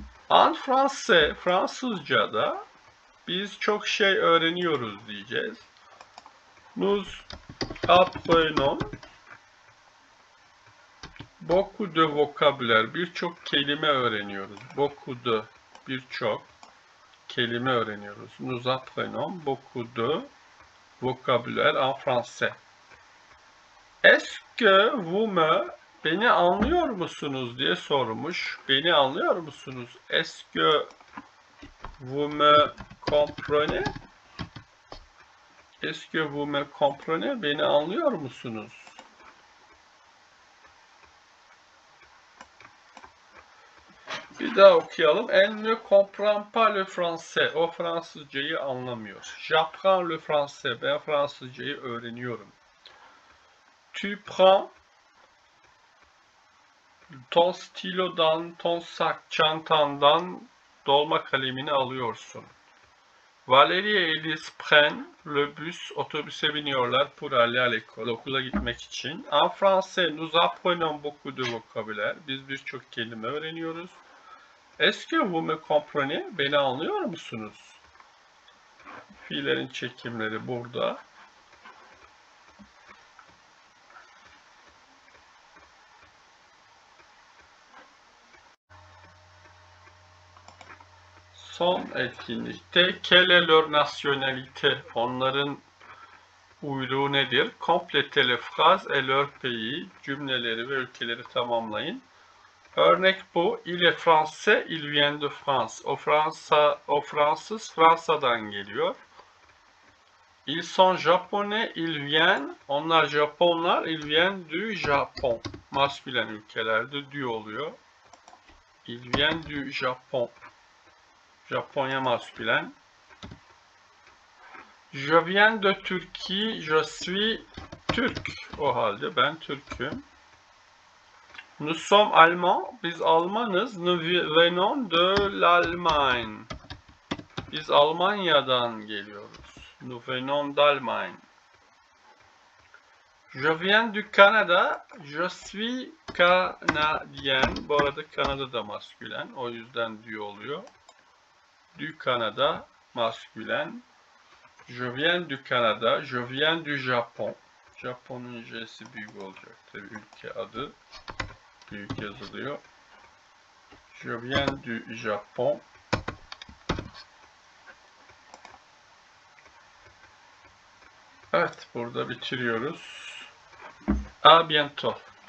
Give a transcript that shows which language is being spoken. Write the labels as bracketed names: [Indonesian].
[French] En français, [Turkish] Fransızca'da biz çok şey öğreniyoruz diyeceğiz. [French] Nous apprenons beaucoup de vocabulaire, [Turkish] birçok kelime öğreniyoruz. [French] Beaucoup de, [Turkish] birçok kelime öğreniyoruz. [French] Nous apprenons beaucoup de vocabulaire en français. Est-ce que vous me, [Turkish] beni anlıyor musunuz diye sormuş. Beni anlıyor musunuz? [French] Est-ce que vous me comprenez? Est-ce que vous me comprenez? [Turkish] Beni anlıyor musunuz? Bir daha okuyalım. [French] Elle ne comprend pas le français. [Turkish] O Fransızcayı anlamıyor. [French] J'apprends le français. [Turkish] Ben Fransızcayı öğreniyorum. [French] Tu prends ton stylo'dan, ton sac, [Turkish] çantandan dolma kalemini alıyorsun. [French] Valérie et Alice prennent le bus. [Turkish] Otobüse biniyorlar. [French] Pour aller à l'école. [Turkish] Okula gitmek için. [French] En français, nous apprenons beaucoup de vocabulaire. [Turkish] Biz birçok kelime öğreniyoruz. [French] Est-ce que vous me comprenez? [Turkish] Beni anlıyor musunuz? Fiillerin çekimleri burada. Son etkinlikte [French] quelle est leur nationalité? [Turkish] Onların uyruğu nedir? [French] Complétez les phrases et leur pays. [Turkish] Cümleleri ve ülkeleri tamamlayın. Örnek bu. [French] Il est français, il vient de France. [Turkish] O Fransa, o Fransız Fransa'dan geliyor. [French] Ils sont japonais, ils viennent. [Turkish] Onlar Japonlar, [French] ils viennent du Japon. [Turkish] Maskülen ülkelerde du oluyor. [French] Ils viennent du Japon. [Turkish] Japonya maskülen. [French] Je viens de Turquie, je suis Türk. [Turkish] O halde ben Türk'üm. [French] Nous sommes Allemands, [Turkish] biz Almanız. [French] Nous venons de l'Allemagne. [Turkish] Biz Almanya'dan geliyoruz. [French] Nous venons d'Allemagne. Je viens du Canada, je suis Canadien. [Turkish] Bu arada Kanada da maskülen, o yüzden du oluyor. [French] Du Canada, maskülen. Je viens du Canada, je viens du Japon. [Turkish] Japon'un J'si büyük olacak tabii, ülke adı büyük yazılıyor. [French] Je viens du Japon. [Turkish] Evet, burada bitiriyoruz. [French] À bientôt.